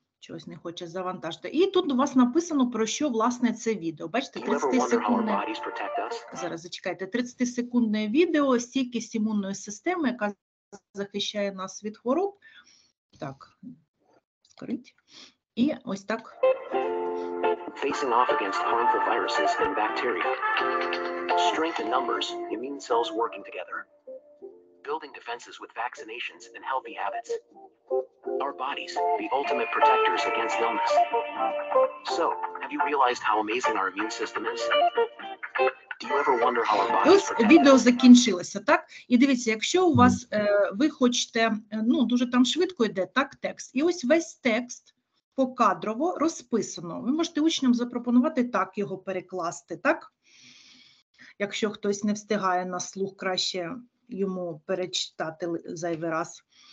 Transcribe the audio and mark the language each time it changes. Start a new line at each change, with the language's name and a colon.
Ukrainian: Чогось не хоче завантажити. І тут у вас написано, про що власне це відео. Бачите, 30-секундне. Зараз зачекайте. 30-секундне відео, стійкість імунної системи, яка захищає нас від хвороб. Так. Скрити. І ось так.
English: Facing off against harmful viruses and bacteria. Strength in numbers, immune cells working together. Building defenses with vaccinations and healthy habits. Our bodies, the ultimate protectors against illness. So, have you realized how amazing our immune system is? Do you ever wonder how our bodies protect?
Ukrainian: Відео закінчилося, так? І дивіться, якщо у вас ви хочете, ну, дуже там швидко йде, так, текст. І ось весь текст покадрово розписано. Ви можете учням запропонувати так його перекласти, так? Якщо хтось не встигає на слух краще йому перечитати зайвий раз.